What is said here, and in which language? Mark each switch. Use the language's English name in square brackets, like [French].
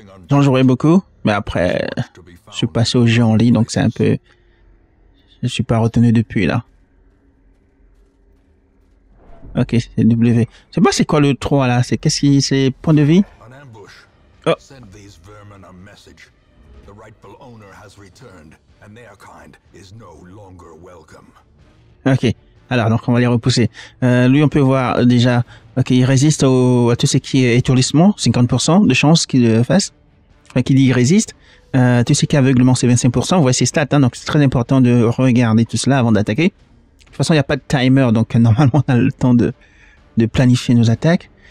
[French] J'en jouais beaucoup, mais après, je suis passé au jeu en ligne, donc c'est un peu, je suis pas retenu depuis, là. Ok, c'est W. Je sais pas c'est quoi le 3, là. C'est qu'est-ce qui, c'est point de vie? [English] Oh. Send these vermin a message. The rightful owner has returned, and their kind is no longer welcome. [French] Ok, alors donc on va les repousser. Lui on peut voir déjà, ok, il résiste à tout ce qui est étourdissement, 50% de chance qu'il le fasse, enfin qu'il y résiste. Tout ce qui est aveuglement c'est 25%, on voit ses stats, hein, donc c'est très important de regarder tout cela avant d'attaquer. De toute façon il n'y a pas de timer, donc normalement on a le temps de planifier nos attaques.